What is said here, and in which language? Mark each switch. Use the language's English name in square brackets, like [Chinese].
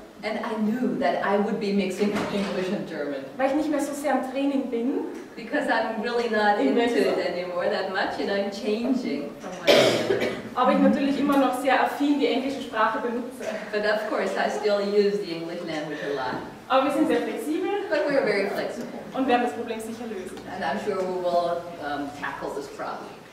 [English] And I knew that I would be mixing English and German. [German] Weil ich nicht mehr so sehr im Training bin. [English] Because I'm really not into it anymore that much, and I'm changing from what I do. [German] Aber ich natürlich immer noch sehr affin die englische Sprache benutze. [English] But of course, I still use the English language a lot. [German] Aber wir sind sehr flexibel. [English] But we are very flexible. [German] Und werden das Problem sicher lösen. [English] And I'm sure we will tackle this problem.